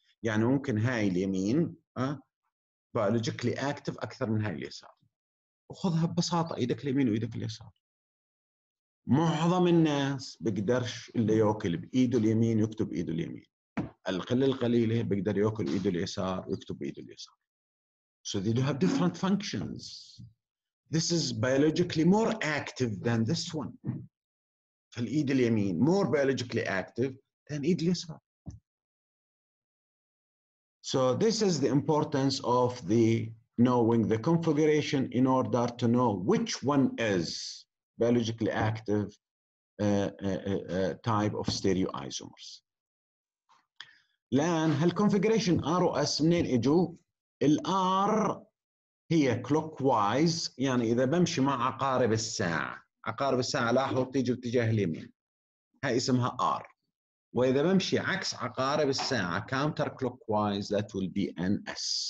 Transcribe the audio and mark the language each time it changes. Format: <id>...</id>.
<ar>يعني ممكن هاي اليمين biologically active أكثر من هاي اليسار. وخذها ببساطة إيدك اليمين وإيدك اليسار. معظم الناس بيقدرش اللي يأكل بإيده اليمين يكتب إيده اليمين. القلة القليلة بيقدر يأكل إيده اليسار ويكتب إيده اليسار.</ar> <en>So they do have different functions. This is biologically more active than this one.</en> <ar>فالإيد اليمين more biologically active than إيد اليسار.</ar> <en>So this is the importance of the knowing the configuration in order to know which one is biologically active type of stereoisomers.</en> <ar>لان هالconfiguration ROS منين اجوا؟ ال R هي clockwise يعني اذا بمشي مع عقارب الساعة عقارب الساعة لاحظوا بتيجي باتجاه اليمين هاي اسمها R واذا بمشي عكس عقارب الساعة counter clockwise that will be an S.</ar>